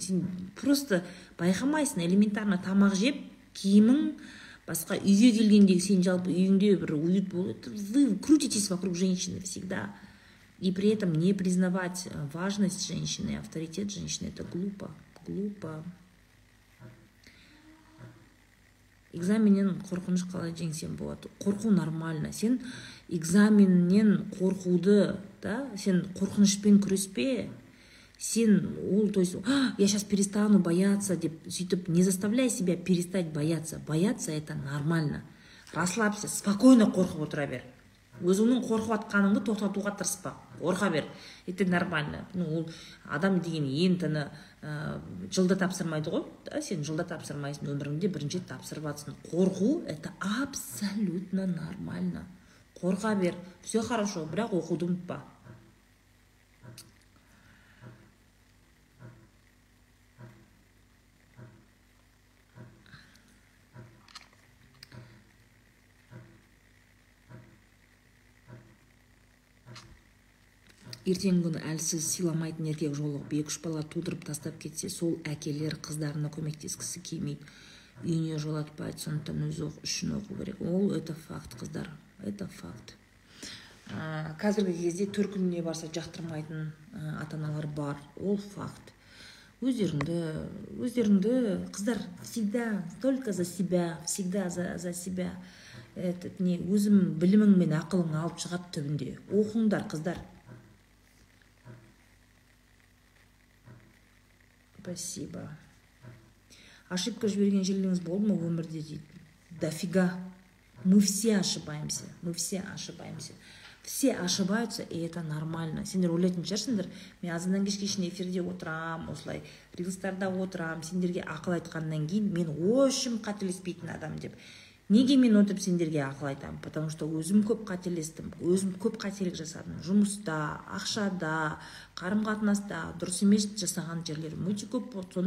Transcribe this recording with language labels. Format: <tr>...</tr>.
<kk>Сен просто байқамайсың, элементарно тамақ жеп, киімің, басқа үйге келгенде сен жалпы үйіңде бір уют болады.</kk> <ru>Вы крутитесь вокруг женщины всегда. И при этом не признавать важность женщины, авторитет женщины, это глупо. Глупо.</ru> <kk>Экзаменнен қорқыныш қалай жеңсем болады? Қорқу нормально. Сен экзаменнен қорқуды, да? Сен қорқынышпен күреспе. Сен ол,</kk> <ru>то есть, я сейчас перестану бояться,</ru> <kk>деп, сөйтіп,</kk> <ru>не заставляй себя перестать бояться. Бояться – это нормально. Расслабься, спокойно</ru> <kk>қорқып отыра бер. Өзіңнің қорқып атқаныңды тоқтатуға тырыспа. Қорқа бер.</kk> <ru>Это нормально.</ru> <kk>Ну, ол адам деген ентіні жылда тапсырмайды ғой. Да, сен жылда тапсырмайсың, өміріңде бірінші тапсырбатсын.</kk> <ru>Қорқу – это абсолютно нормально.</ru> <kk>Қорқа бер.</kk> <ru>Все хорошо,</ru> <kk>бірақ оқуды ұмытпа. Ертеңгі күні әлсіз сыйламайтын еркек жолығып, екі-үш бала тудырып тастап кетсе, сол әкелер қыздарына көмектескісі келмейді. Үйіне жолатпайды, сондықтан өзі оқу үшін оқу керек. Ол</kk> <ru>это факт,</ru> <kk>қыздар.</kk> <ru>Это факт.</ru> <kk>Қазіргі кезде төркініне барса жақтырмайтын ата-аналар бар. Ол факт. Өздеріңді, қыздар,</kk> <ru>всегда, только за себя, всегда за себя. Этот не</ru> <kk>өзім білімің мен ақылың алып шығады түбінде. Оқыңдар, қыздар.</kk> <ru>Спасибо.</ru> <kk>Ошибка жіберген жерлеріңіз болды ма өмірде дейді?</kk> <ru>Дофига. Мы все ошибаемся. Мы все ошибаемся. Все ошибаются, и это нормально.</ru> <kk>Сендер ойлайтын шығарсыңдар. Мен азаннан кешке шейін эфирде отырам, осылай рилстарда отырам, сендерге ақыл айтқаннан кейін мен өшім қателеспейтін адам деп. Неге мен отырып сендерге ақыл айтамын?</kk> <ru>Потому что</ru> <kk>өзім көп қателестім, өзім көп қателік жасадым. Жұмыста, ақшада, қарым-қатынаста дұрыс емес жасаған жерлерім өте көп болды.</kk>